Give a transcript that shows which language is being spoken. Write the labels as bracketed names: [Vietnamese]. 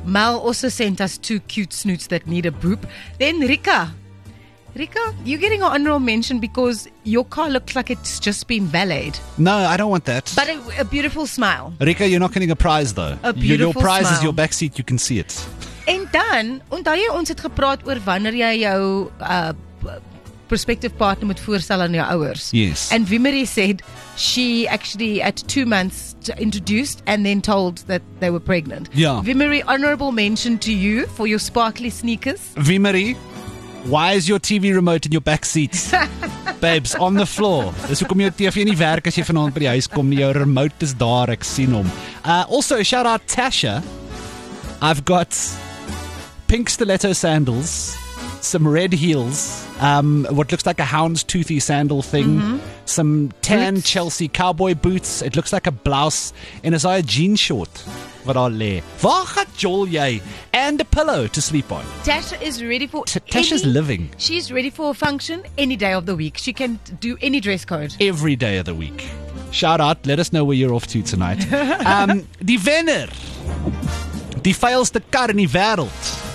[English] Mal also sent us 2 cute snoots that need a boop. Then Rika. Rika, you're getting an honorable mention because your car looks like it's just been valeted. No, I don't want that. But a beautiful smile. Rika, you're not getting a prize though. A beautiful smile. Your prize smile. Is your back seat, you can see it. [Afrikaans] En dan, onthou jy ons het gepraat oor wanneer jy jou [English] prospective partner [Afrikaans] moet voorstel aan jou ouers. [English] Yes. And Vimerie said she actually at 2 months introduced and then told that they were pregnant. Yeah. Vimerie, honorable mention to you for your sparkly sneakers. Vimerie. Why is your TV remote in your back seat? Babes, on the floor. [Afrikaans] Dis hoekom jou TV nie werk as jy vanaand by die huis kom nie. Jou remote is daar, ek sien hom. [English] Also, shout out Tasha. I've got pink stiletto sandals, some red heels, what looks like a houndstoothy sandal thing, some tan boots. Chelsea cowboy boots. It looks like a blouse and it's like a jean short. [Afrikaans] Wat al lê. Waar gaan Joel jy? [English] And a pillow to sleep on. Tasha is ready for Tasha's living. She's ready for a function any day of the week. She can do any dress code. Every day of the week. Shout out. Let us know where you're off to tonight. [Afrikaans] die winner. Die vuilste kar in die wêreld.